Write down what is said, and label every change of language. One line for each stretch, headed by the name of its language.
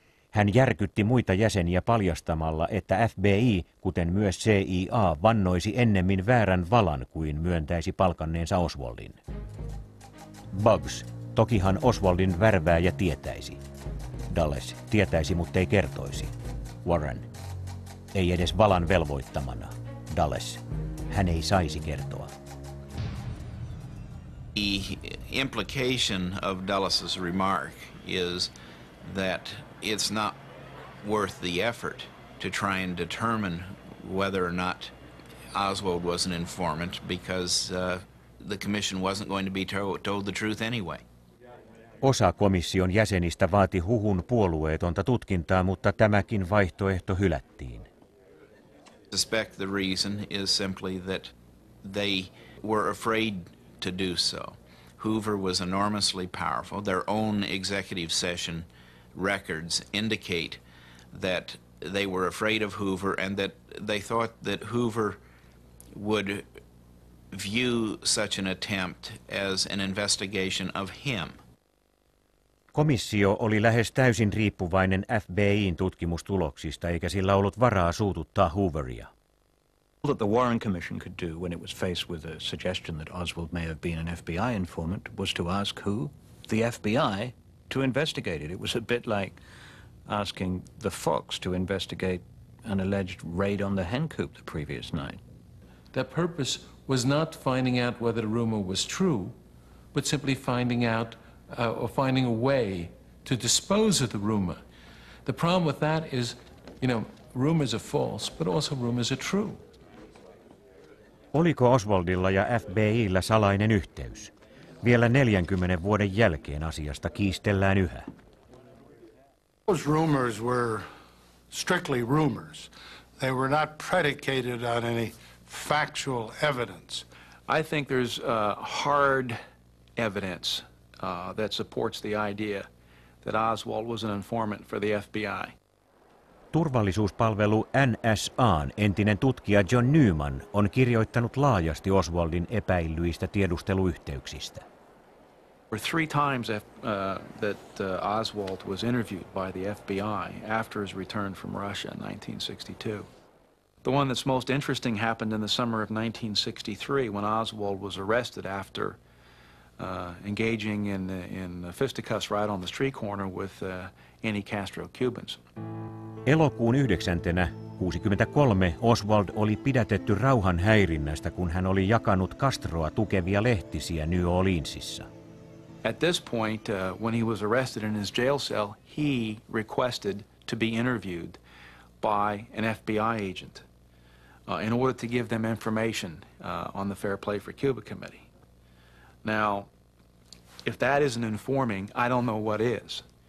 Finnish: Hän järkytti muita jäseniä paljastamalla, että FBI, kuten myös CIA, vannoisi ennemmin väärän valan kuin myöntäisi palkanneensa Oswaldin. Boggs, tokihan Oswaldin värvääjä tietäisi. Dulles, tietäisi, mutta ei kertoisi. Warren, ei edes valan velvoittamana. Dulles, hän ei saisi kertoa.
English: The implication of Dulles' remark is that it's not worth the effort to try and determine whether or not Oswald was an informant because the commission wasn't going to be told the truth anyway.
Finnish: Osa komission jäsenistä vaati huhun puolueetonta tutkintaa, mutta tämäkin vaihtoehto hylättiin.
English: I suspect the reason is simply that they were afraid to do so. Hoover was enormously powerful. Their own executive session records indicate that they were afraid of Hoover and that they thought that Hoover would view such an attempt as an investigation of him.
Finnish: Komissio oli lähes täysin riippuvainen FBI:n tutkimustuloksista eikä sillä ollut varaa suututtaa Hooveria.
English: What the Warren Commission could do when it was faced with a suggestion that Oswald may have been an FBI informant was to ask who? The FBI to investigate it. It was a bit like asking the Fox to investigate an alleged raid on the hen coop the previous night. The purpose was not finding out whether the rumor was true, but simply finding out or finding a way to dispose of the rumor. The problem with that is, you know, rumors are false, but also rumors are true.
Finnish: Oliko Oswaldilla ja FBI:llä salainen yhteys? Vielä 40 vuoden jälkeen asiasta kiistellään yhä.
English: Those rumors were strictly rumors. They were not predicated on any factual evidence. I think there's hard evidence that supports the idea that Oswald was an informant for the FBI.
Finnish: Turvallisuuspalvelu NSA:n entinen tutkija John Newman on kirjoittanut laajasti Oswaldin epäillyistä tiedusteluyhteyksistä.
English: There were three times that Oswald was interviewed by the FBI after his return from Russia in 1962. The one that's most interesting happened in the summer of 1963 when Oswald was arrested after engaging in a fisticuffs right on the street corner with any Castro Cubans.
Finnish: Elokuun 9.63 Oswald oli pidätetty rauhan häirinnästä, kun hän oli jakanut Castroa tukevia lehtisiä New Orleansissa.
English: At this point, when he was arrested in his jail cell, he requested to be interviewed by an FBI agent in order to give them information on the Fair Play for Cuba Committee. Now, if that isn't informing, I don't know what is.